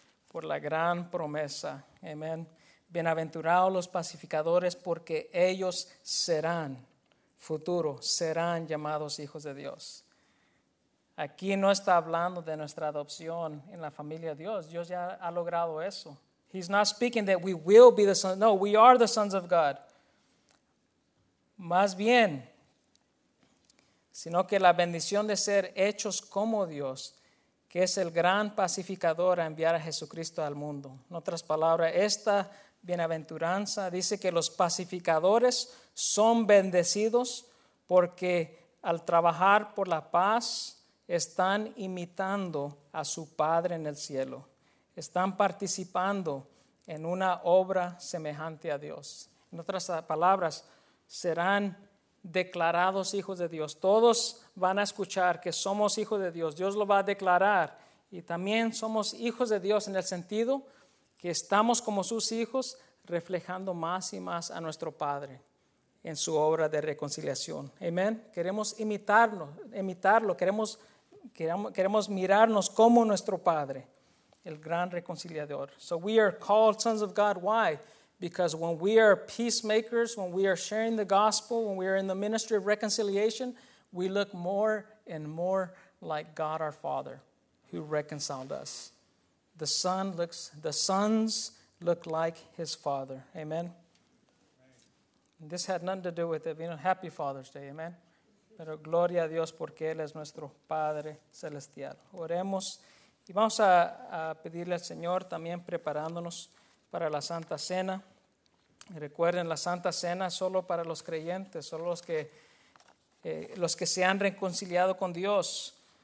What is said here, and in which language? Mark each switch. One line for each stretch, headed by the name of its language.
Spanish: Por la gran promesa. Amén. Bienaventurados los pacificadores, porque ellos serán, futuro, serán llamados hijos de Dios. Aquí no está hablando de nuestra adopción en la familia de Dios. Dios ya ha logrado eso.
English: He's not speaking that we will be the sons. No, we are the sons of God.
Spanish: Más bien, sino que la bendición de ser hechos como Dios, que es el gran pacificador a enviar a Jesucristo al mundo. En otras palabras, esta bienaventuranza dice que los pacificadores son bendecidos porque al trabajar por la paz están imitando a su Padre en el cielo. Están participando en una obra semejante a Dios. En otras palabras, serán declarados hijos de Dios. Todos van a escuchar que somos hijos de Dios. Dios lo va a declarar. Y también somos hijos de Dios en el sentido que estamos como sus hijos, reflejando más y más a nuestro Padre en su obra de reconciliación. Amén. Queremos imitarlo. Queremos queremos mirarnos como nuestro Padre, el gran reconciliador.
English: So we are called sons of God. Why? Because when we are peacemakers, when we are sharing the gospel, when we are in the ministry of reconciliation, we look more and more like God our Father, who reconciled us. The sons look like his Father. Amen. And this had nothing to do with it. You know, happy Father's Day. Amen.
Spanish: Pero gloria a Dios porque Él es nuestro Padre Celestial. Oremos y vamos a pedirle al Señor también preparándonos para la Santa Cena. Y recuerden, la Santa Cena es solo para los creyentes, solo los que se han reconciliado con Dios.